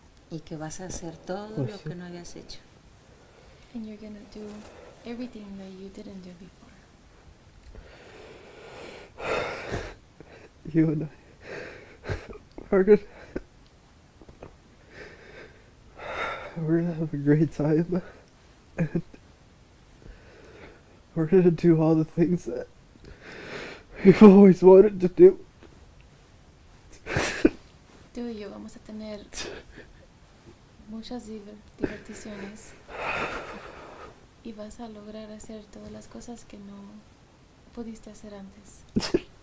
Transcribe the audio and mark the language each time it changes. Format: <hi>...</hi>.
<es>Y que vas a hacer todo lo que no habías hecho.</es> <en>And you're gonna do everything that you didn't do before. You and I are good. We're gonna have a great time. And we're gonna do all the things that we've always wanted to do.</en> <es>Tú y yo vamos a tener muchas diverticiones. Y vas a lograr hacer todas las cosas que no pudiste hacer antes.</es>